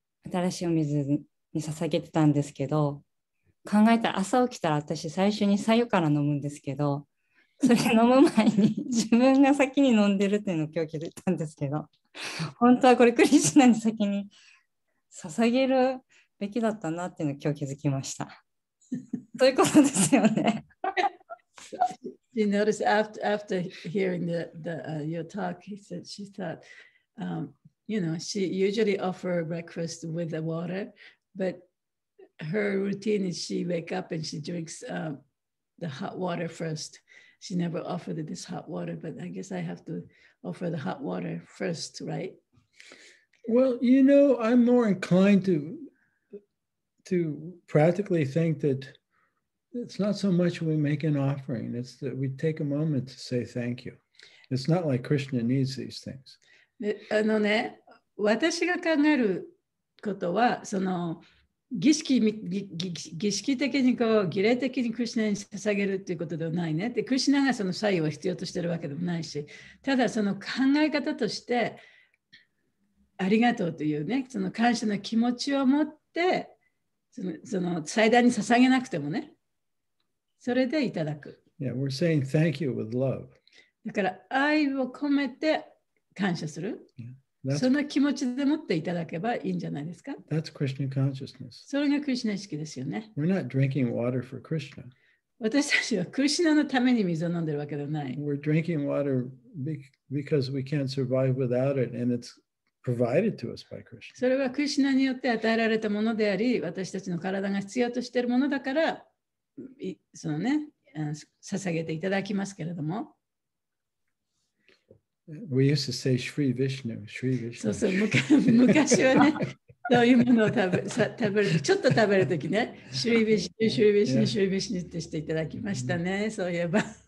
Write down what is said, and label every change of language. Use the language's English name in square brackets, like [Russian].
[Japanese] 新しいお水に捧げてたんですけど、考えたら朝起きたら私最初に白湯から飲むんですけど、それ飲む前に自分が先に飲んでるっていうのを今日聞いたんですけど、本当はこれクリシュナに先に捧げるべきだったなっていうのを今日気づきました。そういうことですよね。 [English] She noticed after hearing your talk, she thought, you know, she usually offer breakfast with the water, but her routine is she wake up and she drinks the hot water first. She never offered this hot water, but I guess I have to offer the hot water first, right? Well, you know, I'm more inclined to practically think that it's not so much we make an offering, it's that we take a moment to say thank you. It's not like Krishna needs these things. [Japanese] あのね、私が考えることは、その儀式、儀式的にこう、儀礼的にクリシュナに捧げるということではないね。で、クリシュナがその作用を必要としているわけでもないし、ただその考え方として、ありがとうというね、その感謝の気持ちを持って、その祭壇に捧げなくてもね、それでいただく。 [English] Yeah, we're saying thank you with love. [Japanese] だから愛を込めて感謝する。Yeah, その気持ちで持っていただけばいいんじゃないですか。 [English] That's Krishna consciousness. [Japanese] それがクリシナ意識ですよね。 [English] We're not drinking water for Krishna. [Japanese] 私たちはクリシナのために水を飲んでるわけではない。 [English] We're drinking water because we can't survive without it and it's provided to us by Krishna. [Japanese] それはクリシナによって与えられたものであり、私たちの体が必要としているものだから、そのね、捧げていただきますけれども。 [English] We used to say Shri Vishnu, Shri Vishnu. [Japanese] そうそう、昔はね、そういうものを食べる、ちょっと食べるときね、Shri Vishnu, Shri Vishnu, Shri Vishnu ってしていただきましたね、mm-hmm. そういえば。